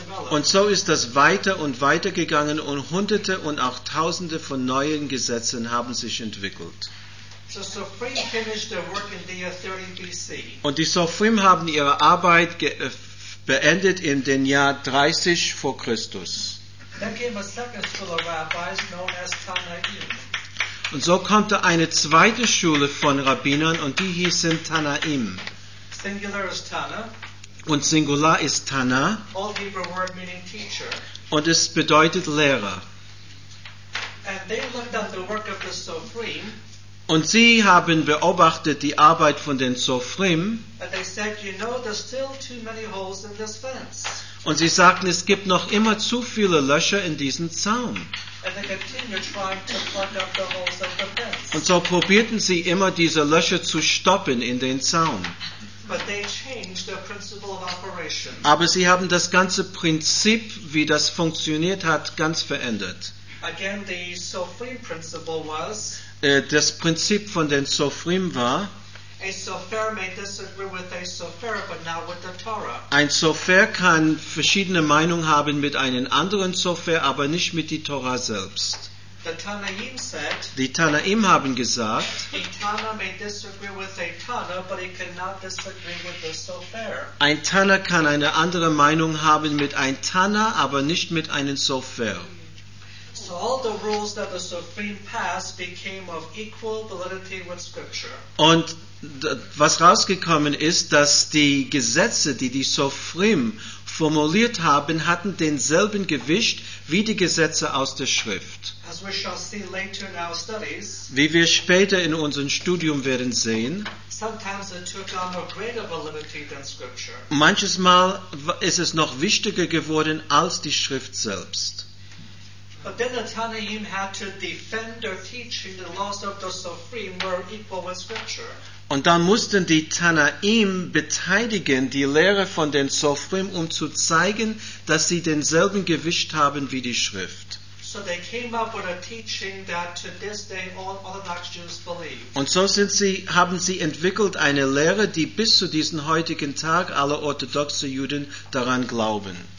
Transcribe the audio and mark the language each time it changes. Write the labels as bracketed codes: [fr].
[de] Und so ist das weiter und weiter gegangen und Hunderte und auch Tausende von neuen Gesetzen haben sich entwickelt. [en] So finished their work in the year 30 BC. [de] Und die Sofrim haben ihre Arbeit beendet in dem Jahr 30 vor Christus. [en] Then came a second school of rabbis known as Tanaim. [de] Und so kommt eine zweite Schule von Rabbinern und die hießen Tanaim. [en] Singular is Tana. [de] Und Singular ist Tana. [en] Old Hebrew word meaning teacher. [de] Und es bedeutet Lehrer. [en] And they looked at the work of the Sofrim. [de] Und sie haben beobachtet die Arbeit von den Sofrim. [en] And they said, you know, there's still too many holes in this fence. [de] Und sie sagten, es gibt noch immer zu viele Löcher in diesem Zaun. [en] And they continued trying to plug up the holes of the fence. [de] Und so probierten sie immer, diese Löcher zu stoppen in den Zaun. [en] But they changed their principle of operation. [de] Aber sie haben das ganze Prinzip, wie das funktioniert hat, ganz verändert. [en] Again, the Sofrim principle was, [de] das Prinzip von den Sofrim war, [en] a Sofer may disagree with a Sofer, but not with the Torah. [de] Ein Sofer kann verschiedene Meinungen haben mit einem anderen Sofer, aber nicht mit der Torah selbst. [en] The Tanaim said, [de] die Tanaim haben gesagt, [en] a Tana may disagree with a Tana, but he cannot disagree with the Sofer. [de] Ein Tana kann eine andere Meinung haben mit einem Tana, aber nicht mit einem Sofer. [en] So all the rules that the Sofrim passed became of equal validity with Scripture. [de] Und was rausgekommen ist, dass die Gesetze, die die Sofrim formuliert haben, hatten denselben Gewicht wie die Gesetze aus der Schrift. [en] As we shall see later in our studies, [de] wie wir später in unserem Studium werden sehen, [en] Sometimes it took on a greater validity than scripture. [de] Manches Mal ist es noch wichtiger geworden als die Schrift selbst. [en] But then the Tanaim had to defend their teaching, the laws of the Sofrim were equal with scripture. [de] Und dann mussten die Tanaim beteiligen, die Lehre von den Sofrim, um zu zeigen, dass sie denselben Gewicht haben wie die Schrift. [en] So they came up with a teaching that to this day all Orthodox Jews believe. [de] Und so sind sie, haben sie entwickelt eine Lehre, die bis zu diesem heutigen Tag alle orthodoxe Juden daran glauben.